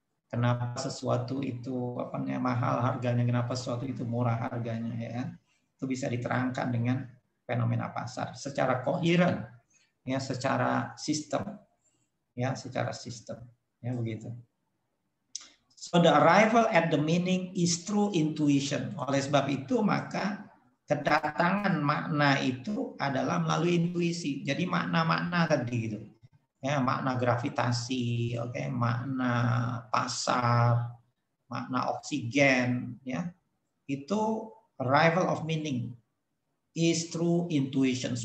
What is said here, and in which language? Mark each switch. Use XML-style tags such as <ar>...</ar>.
<id>Kenapa sesuatu itu mahal harganya, kenapa sesuatu itu murah harganya, ya. Itu bisa diterangkan dengan fenomena pasar secara koheren, ya, secara sistem, ya, begitu.</id> <en>So the arrival at the meaning is through intuition.</en> <id>Oleh sebab itu maka kedatangan makna itu adalah melalui intuisi. Jadi makna-makna tadi itu, ya, makna gravitasi, okay, makna pasar, makna oksigen, ya, itu</id> <en>arrival of meaning is through intuition.</en>